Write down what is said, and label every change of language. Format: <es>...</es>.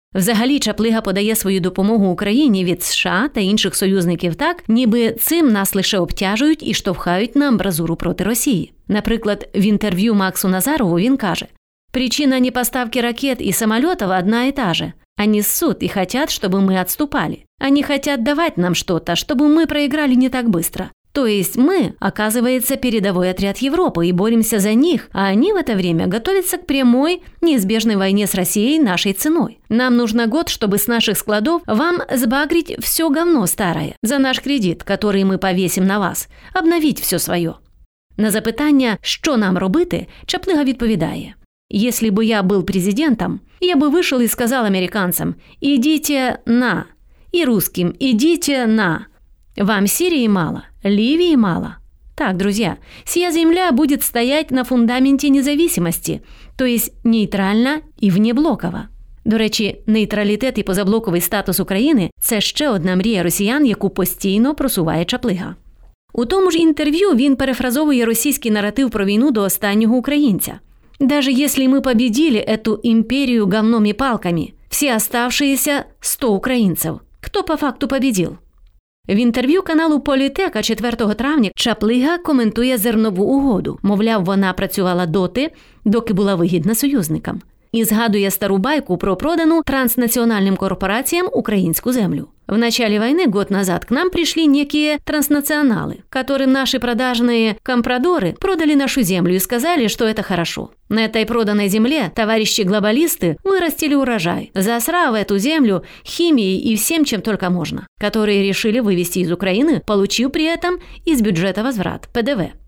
<uk>Взагалі Чаплига подає свою допомогу Україні від США та інших союзників так, ніби цим нас лише обтяжують і штовхають на амбразуру проти Росії. Наприклад, в інтерв'ю Максу Назарову він каже:</uk> <ru>«Причина непоставки ракет и самолетов одна и та же. Они ссут и хотят, чтобы мы отступали. Они хотят давать нам что-то, чтобы мы проиграли не так быстро. То есть мы, оказывается, передовой отряд Европы и боремся за них, а они в это время готовятся к прямой, неизбежной войне с Россией нашей ценой. Нам нужно год, чтобы с наших складов вам сбагрить все говно старое за наш кредит, который мы повесим на вас, обновить все свое».</ru> <uk>На запитание «Что нам робити?» Чаплига відповідає:</uk> <ru>«Если бы я был президентом, я бы вышел и сказал американцам: идите на, и русским: идите на. Вам Сирии мало, Ливии мало. Так, друзья, сия земля будет стоять на фундаменте независимости, то есть нейтрально и внеблоково.</ru> <uk>До речі, нейтралітет і позаблоковий статус України – це ще одна мрія росіян, яку постійно просуває Чаплига. У тому ж інтерв'ю він перефразовує російський наратив про війну до останнього українця.</uk> <ru>«Даже если мы победили эту империю говном и палками, все оставшиеся 100 українців. Хто по факту победил?»</ru> <uk>В інтерв'ю каналу «Політека» 4 травня Чаплига коментує зернову угоду. Мовляв, вона працювала доти, доки була вигідна союзникам. І згадує стару байку про продану транснаціональним корпораціям українську землю.</uk> <ru>«В начале войны, год назад, к нам пришли некие транснационалы, которым наши продажные компрадоры продали нашу землю и сказали, что это хорошо. На этой проданной земле товарищи-глобалисты вырастили урожай, засрав эту землю химией и всем, чем только можно, которые решили вывести из Украины, получив при этом из бюджета возврат, ПДВ.</ru>